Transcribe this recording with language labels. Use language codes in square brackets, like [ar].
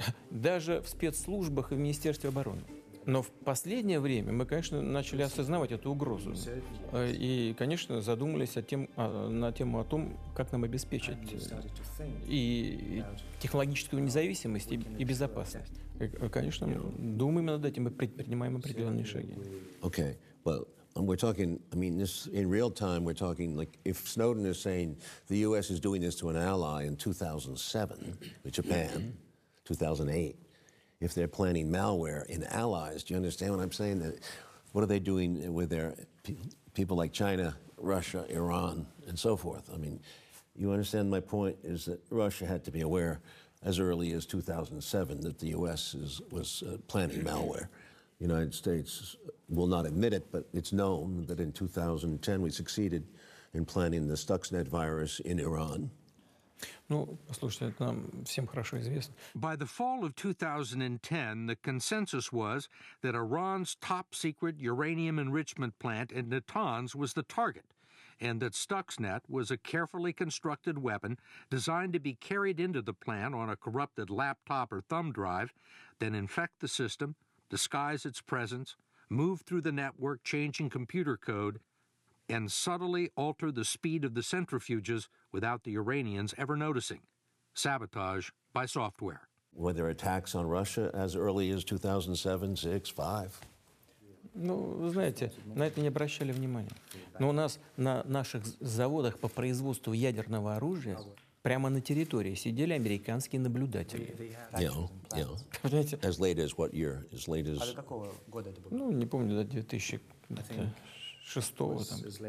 [ru] Даже в спецслужбах и в Министерстве обороны. Но в последнее время мы, конечно, начали осознавать эту угрозу. И, конечно, задумались на тему о том, как нам обеспечить и технологическую независимость и безопасность. И, конечно, думаем над этим и предпринимаем определенные шаги. [en] Okay. Well, we're talking, I mean, this in real time, we're talking like if Snowden is saying the US is doing this to an ally in 2007, with Japan, 2008. If they're planning malware in allies, do you understand what I'm saying? That what are they doing with their people like China, Russia, Iran, and so forth? I mean, you understand my point is that Russia had to be aware as early as 2007 that the U.S. was planning malware. The United States will not admit it, but it's known that in 2010 we succeeded in planting the Stuxnet virus in Iran. [ru] Ну, послушайте, это нам всем хорошо известно. [en] By the fall of 2010, the consensus was that Iran's top-secret uranium enrichment plant in Natanz was the target, and that Stuxnet was a carefully constructed weapon designed to be carried into the plant on a corrupted laptop or thumb drive, then infect the system, disguise its presence, move through the network changing computer code, and subtly alter the speed of the centrifuges without the Iranians ever noticing. Sabotage by software. Were there attacks on Russia as early as 2007, 6, 5? [ru] Ну, вы знаете, на это не обращали внимания. Но у нас на наших заводах по производству ядерного оружия прямо на территории сидели американские наблюдатели. [en] Yeah. As late as what year? As late as... [ru] А до какого года это было? Ну, не помню, до 2000... шестого там.